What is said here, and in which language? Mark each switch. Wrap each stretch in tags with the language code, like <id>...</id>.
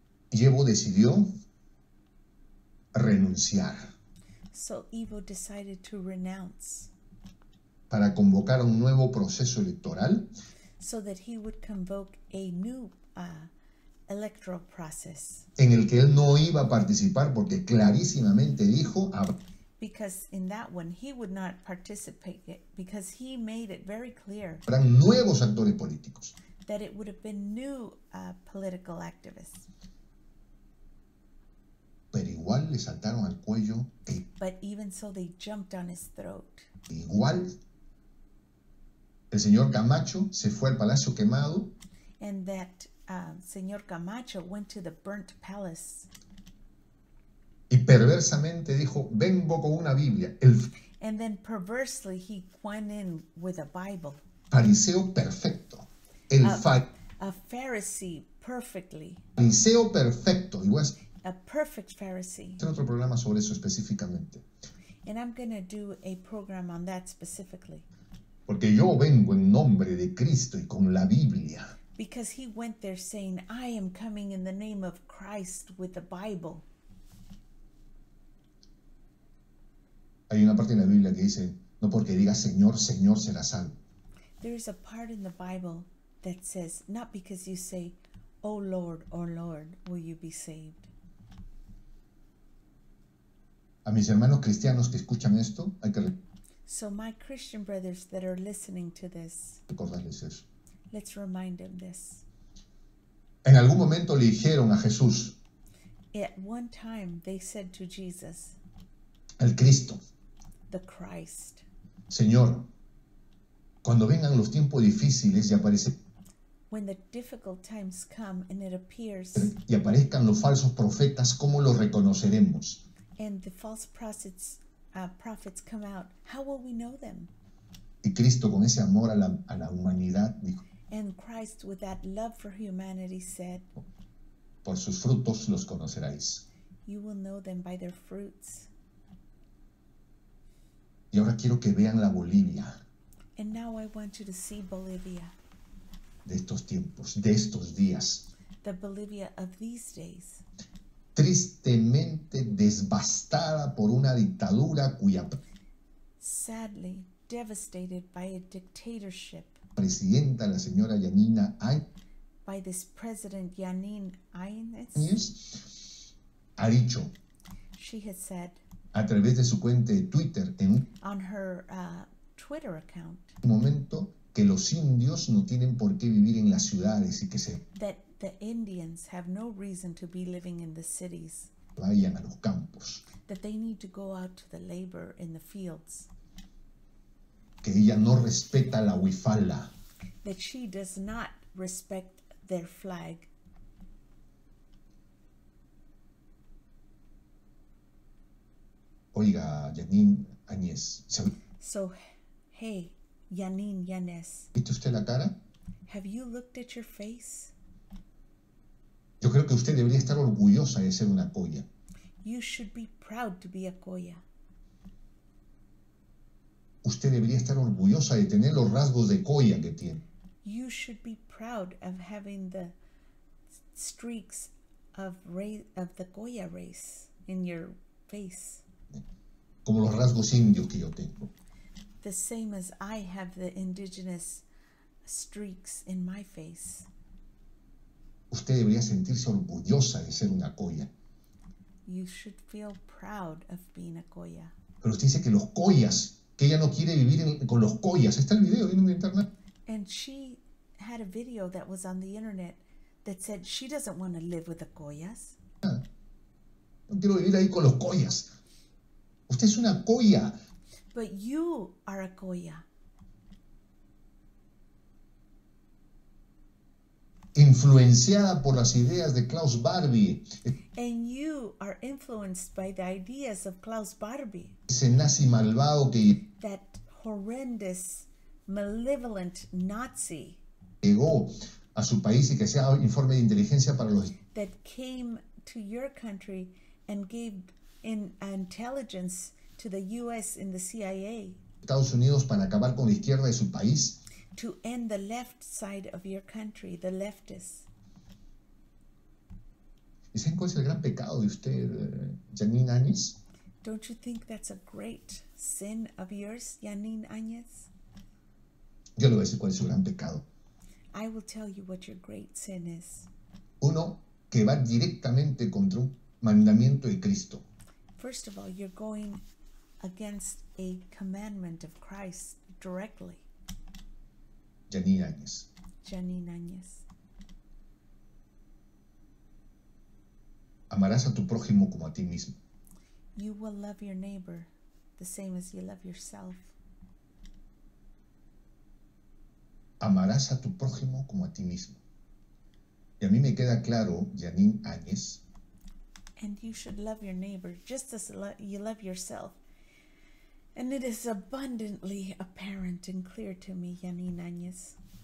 <es>Y Evo decidió renunciar.</es> <en>So Evo decided to renounce.</en> <es>Para convocar un nuevo proceso electoral.</es> <en>So that he would convoke a new electoral process.</en> <es>En el que él no iba a participar porque clarísimamente dijo...</es> <en>Because in that one he would not participate yet, because he made it very clear.</en> <es>Habrán nuevos actores políticos.</es> <en>That it would have been new political activists.</en> <es>Pero igual le saltaron al cuello.</es> <en>But even so, they jumped on his throat.</en> <es>Igual, el señor Camacho se fue al Palacio Quemado.</es> <en>And that señor Camacho went to the burnt palace.</en> <es>Y perversamente dijo, vengo con una Biblia. El</es> <en>And then perversely, he went in with a Bible.</en> <es>Fariseo perfecto.</es> <en>A Pharisee perfectly.</en> <es>Fariseo perfecto. Igual es...</es> <en>A perfect Pharisee.</en> <es>Tengo otro programa sobre eso específicamente.</es> <en>And I'm going to do a program on that specifically.</en> <es>Porque yo vengo en nombre de Cristo y con la Biblia.</es> <en>Because he went there saying, I am coming in the name of Christ with the Bible.</en> <es>Hay una parte en la Biblia que dice, no porque diga Señor, Señor será salvo.</es> <en>There is a part in the Bible that says, not because you say, oh Lord, oh Lord, will you be saved.</en> <es>A mis hermanos cristianos que escuchan esto, hay que</es> <en>So my Christian brothers that are listening to this,</en> <es>recordarles eso.</es> <en>Let's remind them this.</en> <es>En algún momento le dijeron a Jesús.</es> <en>At one time they said to Jesus.</en> <es>El Cristo.</es> <en>The Christ.</en> <es>Señor, cuando vengan los tiempos difíciles y aparece.</es> <en>When the difficult times come and it appears.</en> <es>Y aparezcan los falsos profetas, ¿cómo los reconoceremos?</es> <en>And the false prophets, prophets come out. How will we know them?</en> <es>Y Cristo con ese amor a la humanidad dijo.</es> <en>And Christ with that love for humanity said.</en> <es>Por sus frutos los conoceráis.</es> <en>You will know them by their fruits.</en> <es>Y ahora quiero que vean la Bolivia.</es> <en>And now I want you to see Bolivia.</en> <es>De estos tiempos, de estos días.</es> <en>The Bolivia of these days.</en> <es>Tristemente devastada por una dictadura cuya</es> <en>Sadly, devastated by a dictatorship.</en> <es>Presidenta, la señora Yanina</es> <en>By this president, Yanine</en> <es>Áñez, ha dicho</es> <en>She has said</en> <es>a través de su cuenta de Twitter</es> <en>on her Twitter account</en> <es>un momento que los indios no tienen por qué vivir en las ciudades y que se</es> <en>that the Indians have no reason to be living in the cities,</en> <es>vayan a los campos,</es> <en>that they need to go out to the labor in the fields,</en> <es>que ella no respeta la huifala,</es> <en>that she does not respect their flag.</en> <es>Oiga, Janine Añez,</es> <en>so, hey, Janine Yanes.</en> <es>¿Viste usted la cara?</es> <en>Have you looked at your face?</en> <es>Yo creo que usted debería estar orgullosa de ser una colla.</es> <en>You should be proud to be a colla.</en> <es>Usted debería estar orgullosa de tener los rasgos de colla que tiene.</es> <en>You should be proud of having the streaks of the colla race in your face.</en> <es>Como los rasgos indios que yo tengo.</es> <en>The same as I have the indigenous streaks in my face.</en> <es>Usted debería sentirse orgullosa de ser una colla.</es> <en>You should feel proud of being a colla.</en> <es>Pero usted dice que los collas, que ella no quiere vivir con los collas. Está el video en internet.</es> <en>And she had a video that was on the internet that said she doesn't want to live with the collas.</en> <es>No quiero vivir ahí con los collas. Usted es una colla.</es> <en>But you are a colla.</en> <es>Influenciada por las ideas de Klaus Barbie.</es> <en>And you are influenced by the ideas of Klaus Barbie.</en> <es>Ese nazi malvado que...</es> <en>That horrendous, malevolent Nazi.</en> <es>Llegó a su país y que sea informe de inteligencia para los...</es> <en>That came to your country and gave in intelligence to the U.S. and the CIA.</en> <es>Estados Unidos para acabar con la izquierda de su país.</es> <en>To end the left side of your country, the leftists.</en> <es>¿Y saben cuál es el gran pecado de usted, Janine Áñez?</es> <en>Don't you think that's a great sin of yours, Janine Áñez?</en> <es>Yo le voy a decir cuál es su gran pecado.</es> <en>I will tell you what your great sin is.</en> <es>Uno que va directamente contra un mandamiento de Cristo.</es> <en>First of all, you're going against a commandment of Christ directly.</en> <es>Janine Áñez.</es> <en>Janine Áñez.</en> <es>Amarás a tu prójimo como a ti mismo.</es> <en>You will love your neighbor the same as you love yourself.</en> <es>Amarás a tu prójimo como a ti mismo. Y a mí me queda claro, Janine Áñez.</es> <en>And you should love your neighbor just as you love yourself. And it is abundantly apparent and clear to me, Janine Áñez.</en>